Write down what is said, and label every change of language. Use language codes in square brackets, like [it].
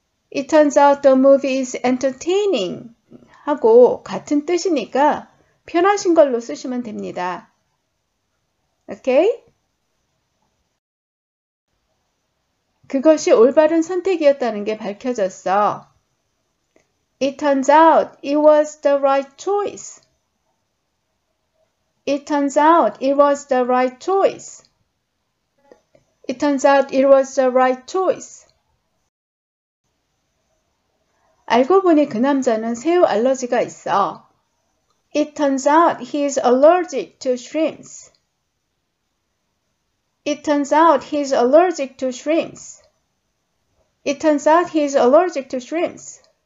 [en] It turns out the movie is entertaining [ko] 하고 같은 뜻이니까 편하신 걸로 쓰시면 됩니다. [en] Okay? [ko] 그것이 올바른 선택이었다는 게 밝혀졌어. [en] It turns out it was the right choice. It turns out it was the right choice. It turns out it was the right choice. [ko] 알고 보니 그 남자는 새우 알러지가 있어. [en] It turns out he is allergic to shrimps. It turns out he is allergic to shrimps. It turns out he is allergic to shrimps.